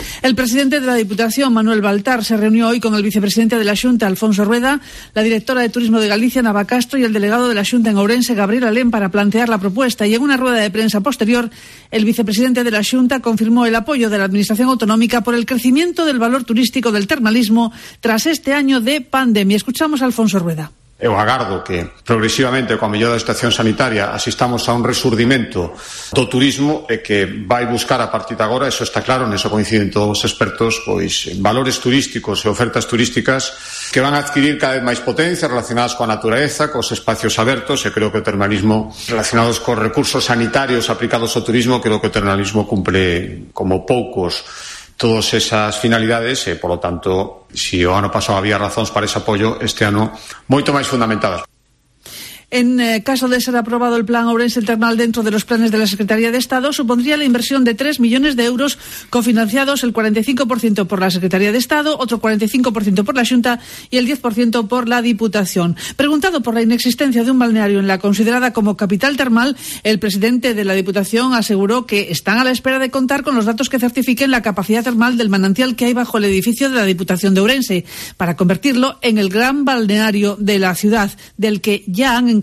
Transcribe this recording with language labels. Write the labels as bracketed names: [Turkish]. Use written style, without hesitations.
[Spanish] El presidente de la Diputación, Manuel Baltar, se reunió hoy con el vicepresidente de la Xunta, Alfonso Rueda, la directora de Turismo de Galicia, Nava Castro, y el delegado de la Xunta en Ourense, Gabriel Alén, para plantear la propuesta. Y en una rueda de prensa posterior, el vicepresidente de la Xunta confirmó el apoyo de la Administración Autonómica por el crecimiento del valor turístico del termalismo tras este año de pandemia. Escuchamos a Alfonso Rueda. [Galician] Eu agardo que progresivamente, coa mellora da situación sanitaria, asistamos a un resurdimento do turismo e que vai buscar a partir de agora, eso está claro, neso coinciden todos os expertos, pois valores turísticos e ofertas turísticas que van a adquirir cada vez máis potencia relacionadas coa natureza, cos espacios abertos, e creo que o termalismo relacionados cos recursos sanitarios aplicados ao turismo, creo que o termalismo cumple como poucos todas esas finalidades, e, polo tanto, si o ano pasado había razóns para ese apoio, este ano moito máis fundamentadas. [Spanish] En caso de ser aprobado el plan Ourense Termal dentro de los planes de la Secretaría de Estado, supondría la inversión de 3 millones de euros, cofinanciados el 45% por la Secretaría de Estado, otro 45% por la Xunta y el 10% por la Diputación. Preguntado por la inexistencia de un balneario en la considerada como capital termal, el presidente de la Diputación aseguró que están a la espera de contar con los datos que certifiquen la capacidad termal del manantial que hay bajo el edificio de la Diputación de Ourense, para convertirlo en el gran balneario de la ciudad, del que ya han